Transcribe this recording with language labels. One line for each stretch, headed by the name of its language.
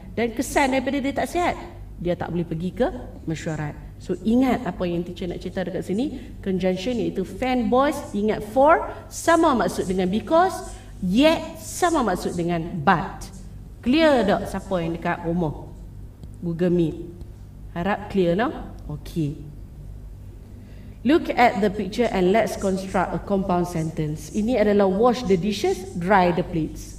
Malay: Dan kesan daripada dia tak sihat, dia tak boleh pergi ke mesyuarat. So ingat apa yang teacher nak cerita dekat sini. Conjunction iaitu fanboys. Ingat for sama maksud dengan because. Yet sama maksud dengan but. Clear tak siapa yang dekat rumah? Google Meet. Harap clear no? Okay.
English: Look at the picture and let's construct a compound sentence.
Malay: Ini adalah
English: wash the dishes, dry the plates.